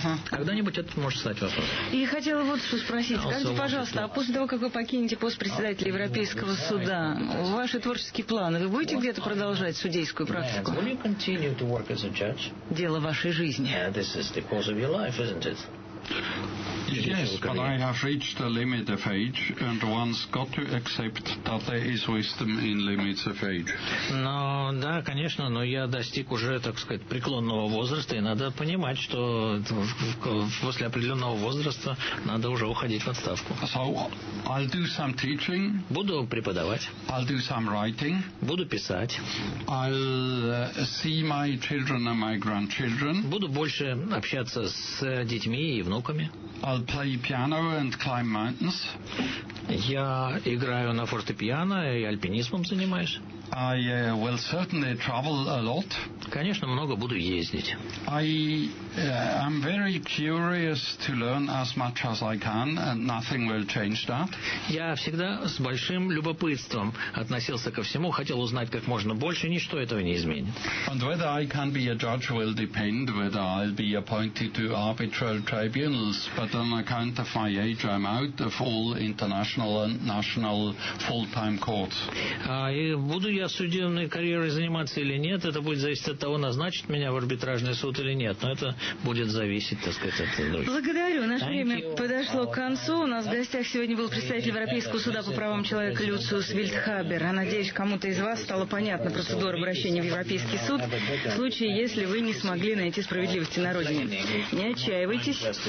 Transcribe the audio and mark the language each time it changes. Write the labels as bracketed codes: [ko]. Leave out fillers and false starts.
[ru] Когда-нибудь это может стать вопросом. И хотела вот что спросить. Скажите, пожалуйста, а после того, как вы покинете пост председателя Европейского суда, ваши творческие планы, вы будете где-то продолжать судейскую практику? [en] Will you continue to work as a judge? [ru] Дело вашей жизни. [en] Yeah, this is the cause of your life, isn't it? Yes, but I have reached a limit of age, and one's got to accept that there is wisdom in limits of age. [ru] Но да, конечно, но я достиг уже, так сказать, преклонного возраста, и надо понимать, что после определенного возраста надо уже уходить в отставку. [en] So I'll do some teaching. [ru] Буду преподавать. [en] I'll do some writing. [ru] Буду писать. [en] I'll see my children and my grandchildren. [ru] Буду больше общаться с детьми и внуками. [en] I'll play piano and climb mountains. [ru] Я играю на фортепиано и альпинизмом занимаюсь. [en] I will certainly travel a lot. [ru] Конечно, много буду ездить. [en] I'm very curious to learn as much as I can, and nothing will change that. [ru] Я всегда с большим любопытством относился ко всему, хотел узнать как можно больше, ничто этого не изменит. [en] And whether I can be a judge will depend whether I'll be appointed to arbitral tribunals, but on account of my age, I'm out of all international and national full-time courts. [ru] И буду я судебной карьерой заниматься или нет, это будет зависеть от того, назначат меня в арбитражный суд или нет, но это будет зависеть, так сказать, от других. Благодарю. Наше время подошло к концу. У нас в гостях сегодня был представитель Европейского суда по правам человека Люциус Вильдхабер. Я надеюсь, кому-то из вас стало понятна процедура обращения в Европейский суд в случае, если вы не смогли найти справедливости на родине. Не отчаивайтесь.